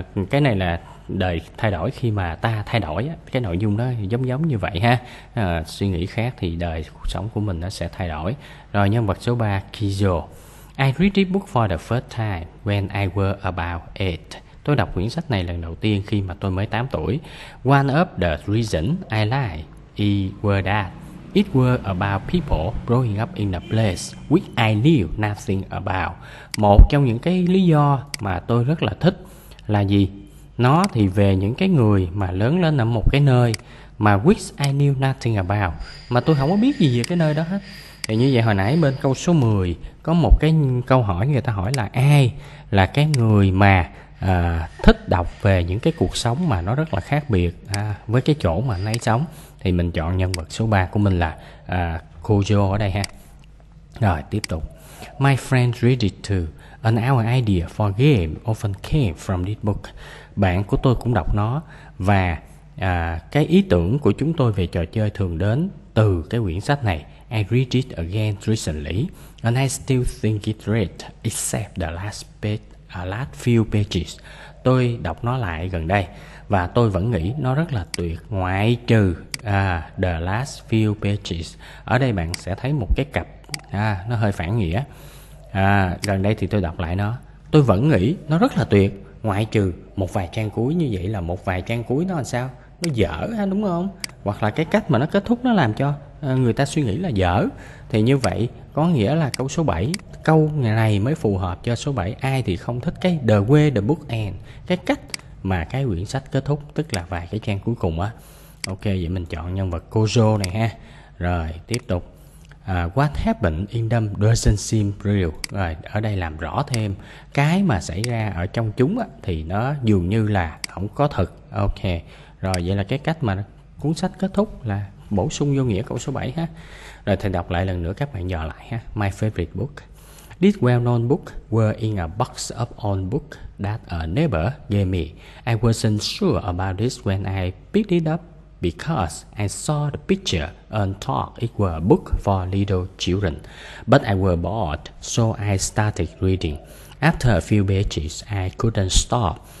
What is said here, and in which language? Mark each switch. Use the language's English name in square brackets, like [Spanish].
[Vietnamese] Cái này là đời thay đổi khi mà ta thay đổi, cái nội dung đó giống giống như vậy ha. Suy nghĩ khác thì đời cuộc sống của mình nó sẽ thay đổi. Rồi nhân vật số 3, Kizo. [English] I read this book for the first time when I was about 8. [Vietnamese] Tôi đọc quyển sách này lần đầu tiên khi mà tôi mới 8 tuổi. [English] One of the reasons I like it was that it was about people growing up in a place which I knew nothing about. [Vietnamese] Một trong những cái lý do mà tôi rất là thích là gì? Nó thì về những cái người mà lớn lên ở một cái nơi mà [English] which I knew nothing about, [Vietnamese] mà tôi không có biết gì về cái nơi đó hết. Thì như vậy hồi nãy bên câu số 10 có một cái câu hỏi người ta hỏi là ai là cái người mà thích đọc về những cái cuộc sống mà nó rất là khác biệt với cái chỗ mà anh ấy sống. Thì mình chọn nhân vật số 3 của mình là Kojo ở đây ha. Rồi tiếp tục. [English] My friend read it too and our idea for game often came from this book. [Vietnamese] Bạn của tôi cũng đọc nó và cái ý tưởng của chúng tôi về trò chơi thường đến từ cái quyển sách này. [English] I read it again recently and I still think it's great except the last few pages. [Vietnamese] Tôi đọc nó lại gần đây và tôi vẫn nghĩ nó rất là tuyệt ngoại trừ [English] the last few pages. [Vietnamese] Ở đây bạn sẽ thấy một cái cặp nó hơi phản nghĩa. Gần đây thì tôi đọc lại nó, tôi vẫn nghĩ nó rất là tuyệt ngoại trừ một vài trang cuối. Như vậy là một vài trang cuối nó làm sao, nó dở ha, đúng không? Hoặc là cái cách mà nó kết thúc nó làm cho người ta suy nghĩ là dở. Thì như vậy có nghĩa là câu số 7, câu này mới phù hợp cho số 7. Ai thì không thích cái [English] the way the book end, [Vietnamese] cái cách mà cái quyển sách kết thúc, tức là vài cái trang cuối cùng á. Ok, vậy mình chọn nhân vật Kojo này ha. Rồi tiếp tục. [English] What happened in them doesn't seem real. [Vietnamese] Rồi ở đây làm rõ thêm cái mà xảy ra ở trong chúng á, thì nó dường như là không có thật. Ok, rồi vậy là cái cách mà cuốn sách kết thúc là bổ sung vô nghĩa câu số 7 ha. Rồi thầy đọc lại lần nữa, các bạn dò lại ha. [English] My favorite book. This well-known book were in a box of old books that a neighbor gave me. I wasn't sure about this when I picked it up because I saw the picture and thought it was a book for little children. But I was bored, so I started reading. After a few pages, I couldn't stop.